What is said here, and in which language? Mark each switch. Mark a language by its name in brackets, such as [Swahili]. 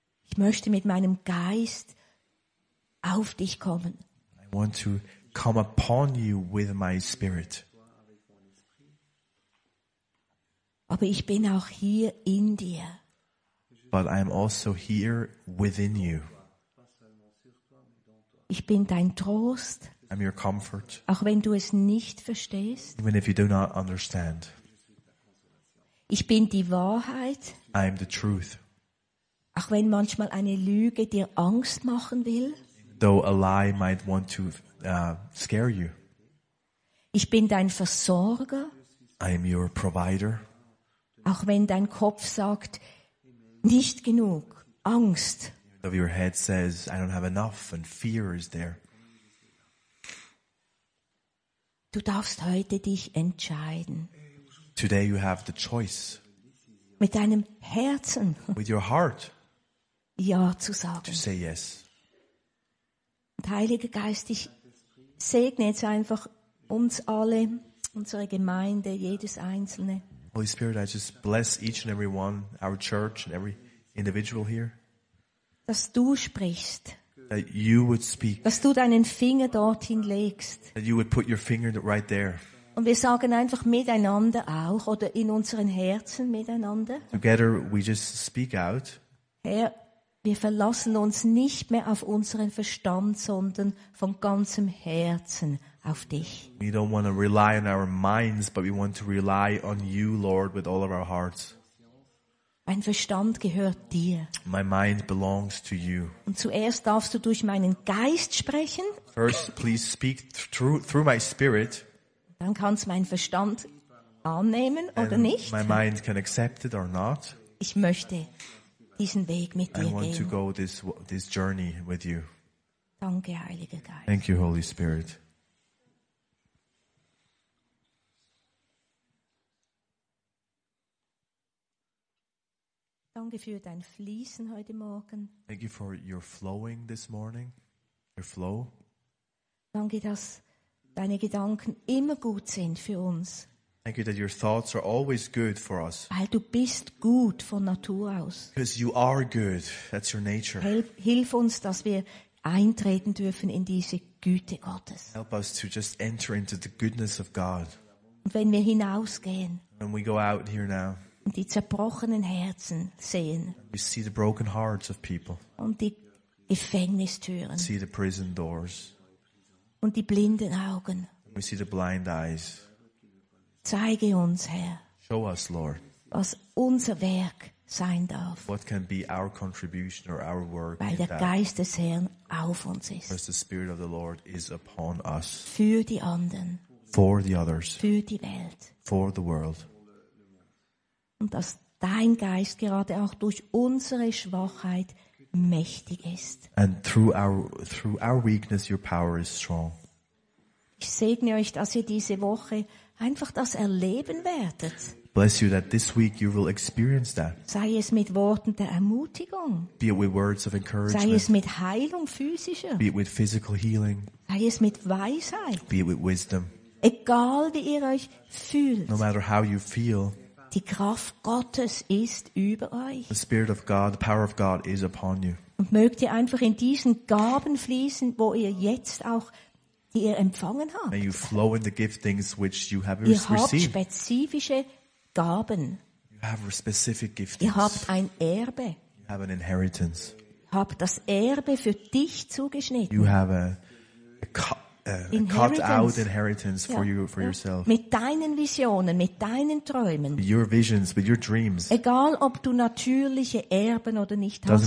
[German] Ich möchte mit meinem Geist auf dich kommen. [English] I want to come upon you with my spirit. [German] Aber ich bin auch hier in dir. [English] But I am also here within you. [German] Ich bin dein Trost. [English] I'm your comfort. [German] Auch wenn du es nicht verstehst. [English] Even if you do not understand. [German] Ich bin die Wahrheit. [English] I am the truth. [German] Auch wenn manchmal eine Lüge dir Angst machen will. [English] Though a lie might want to scare you. [German] Ich bin dein Versorger. [English] I am your provider. [German] Auch wenn dein Kopf sagt, nicht genug, Angst. [English] Though your head says, I don't have enough, and fear is there. [German] Du darfst heute dich entscheiden. [English] Today you have the choice. [German] Mit deinem Herzen. [English] With your heart. [German] Ja zu sagen. [English] To say yes. [German] Und Heiliger Geist, ich segne jetzt einfach uns alle, unsere Gemeinde, jedes Einzelne. [English] Holy Spirit, I just bless each and every one, our church and every individual here. [German] Dass du sprichst. [English] That you would speak. [German] Dass du deinen Finger dorthin legst. [English] That you would put your finger right there. [German] Und wir sagen einfach miteinander auch oder in unseren Herzen miteinander. [English] Together we just speak out. [German] Herr, wir verlassen uns nicht mehr auf unseren Verstand, sondern von ganzem Herzen auf dich. [English] We don't want to rely on our minds, but we want to rely on you, Lord, with all of our hearts. [German] Mein Verstand gehört dir. [English] My mind belongs to you. [German] Und zuerst darfst du durch meinen Geist sprechen. [English] First, please speak through my spirit. [German] Dann kannst mein Verstand annehmen oder nicht. [English] My mind can accept it or not. [German] Ich möchte diesen Weg mit dir gehen. [English] I want [German] gehen. [English] To go this journey with you. [German] Danke, Heiliger Geist. [English] Thank you, Holy Spirit. [German] Danke für dein Fließen heute Morgen. [English] Thank you for your flowing this morning. Your flow. [German] Danke, dass deine Gedanken immer gut sind für uns. [English] Thank you that your thoughts are always good for us. [German] Weil du bist gut von Natur aus. [English] Because you are good. That's your nature. [German] Hilf uns, dass wir eintreten dürfen in diese Güte Gottes. [English] Help us to just enter into the goodness of God. [German] Und wenn wir hinausgehen. [English] When we go out here now. [German] Und die zerbrochenen Herzen sehen. [English] We see the broken hearts of people. [German] Und die Gefängnistüren. [English] See the prison doors. [German] Und die blinden Augen. [English] We see the blind eyes. [German] Zeige uns, Herr. [English] Show us, Lord. [German] Was unser Werk sein darf. [English] What can be our contribution or our work? [German] Weil der Geist des Herrn auf uns ist. [English] Because the Spirit of the Lord is upon us. [German] Für die anderen. [English] For the others. [German] Für die Welt. [English] For the world. [German] Und dass dein Geist gerade auch durch unsere Schwachheit mächtig ist. [English] And through our weakness, your power is strong. [German] Ich segne euch, dass ihr diese Woche einfach das erleben werdet. [English] Bless you that this week you will experience that. [German] Sei es mit Worten der Ermutigung. [English] Be it with words of encouragement. [German] Sei es mit Heilung physischer. [English] Be it with physical healing. [German] Sei es mit Weisheit. [English] Be it with wisdom. [German] Egal wie ihr euch fühlt. [English] No matter how you feel. [German] Die Kraft Gottes ist über euch. [English] The Spirit of God, the power of God is upon you. [German] Und mögt ihr einfach in diesen Gaben fließen, wo ihr jetzt auch, die ihr empfangen habt. [English] May you flow in the giftings which you have [German] ihr [English] received. [German] Ihr habt spezifische Gaben. [English] You have specific giftings. [German] Ihr habt ein Erbe. [English] You have an inheritance. [German] Ihr habt das Erbe für dich zugeschnitten. [English] You have a cut out inheritance for you, for yourself. [German] Mit deinen Visionen, mit deinen Träumen. [English] With your visions, with your dreams. [German] Egal, ob du natürliche Erben oder nicht hast.